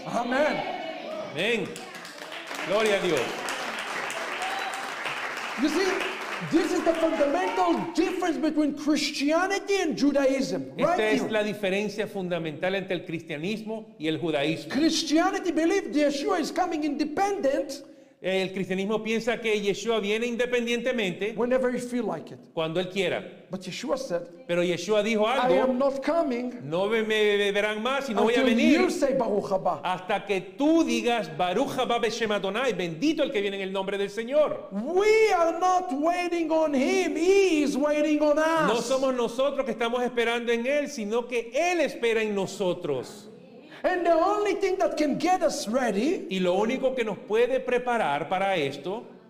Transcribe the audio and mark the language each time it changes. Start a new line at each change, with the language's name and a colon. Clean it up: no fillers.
Spanish: Amén. Amén. Gloria a Dios.
English: You see, this is the fundamental difference between Christianity and Judaism.
Spanish: Esta es la diferencia fundamental entre el cristianismo y el judaísmo.
English: Christianity believes Yeshua is coming independent.
Spanish: El cristianismo piensa que Yeshua viene independientemente
English: whenever he feel like it.
Spanish: Cuando él quiera.
English: But Yeshua said,
Spanish: pero Yeshua dijo algo,
English: I am not coming,
Spanish: no me verán más y no voy a venir
English: you say
Hebrew: Baruch Haba.
Spanish: Hasta que tú digas
Hebrew: Baruch Haba B'Shem Adonai,
Spanish: bendito el que viene en el nombre del Señor.
English: We are not waiting on him, he is waiting on us.
Spanish: No somos nosotros que estamos esperando en él, sino que él espera en nosotros.
English: And the only thing that can get us ready,
Spanish: y lo único que nos puede preparar para esto,